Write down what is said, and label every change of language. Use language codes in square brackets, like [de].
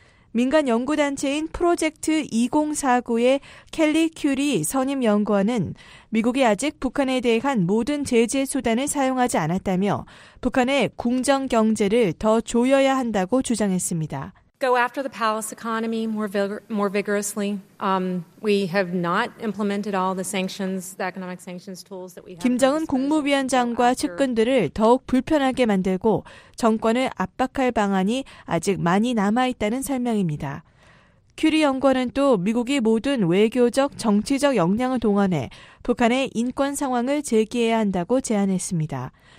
[ko] 민간 연구단체인 프로젝트 2049의 켈리 큐리 선임 연구원은 미국이 아직 북한에 대한 모든 제재 수단을 사용하지 않았다며 북한의 공정 경제를 더 조여야 한다고 주장했습니다. [en] go after the palace economy more vigorously. We have not implemented all the sanctions, the economic sanctions tools that we have. [ko] 김정은 국무위원장과 측근들을 더욱 불편하게 만들고 정권을 압박할 방안이 아직 많이 남아 있다는 설명입니다. 큐리 연구원은 또 미국이 모든 외교적, 정치적 역량을 동원해 북한의 인권 상황을 제기해야 한다고 제안했습니다.